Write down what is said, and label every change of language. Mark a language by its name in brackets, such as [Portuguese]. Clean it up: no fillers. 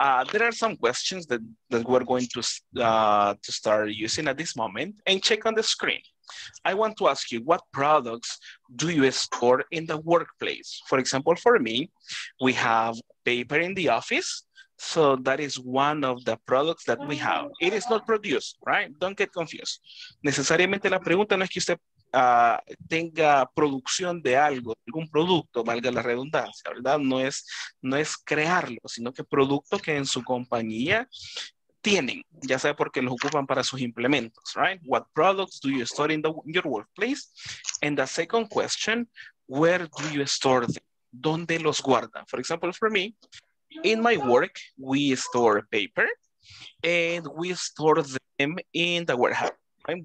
[English] There are some questions that we're going to start using at this moment, and check on the screen. I want to ask you, what products do you store in the workplace? For example, for me, we have paper in the office. So that is one of the products that we have. It is not produced, right? Don't get confused. [Spanish] Necesariamente la pregunta no es que usted tenga producción de algo, algún producto, valga la redundancia, ¿verdad? No es crearlo, sino que producto que en su compañía tienen, ya sea porque los ocupan para sus implementos, right? [English] What products do you store in your workplace? And the second question, where do you store them? [Spanish] ¿Dónde los guardan? [English] For example, for me, in my work, we store paper and we store them in the warehouse. Right?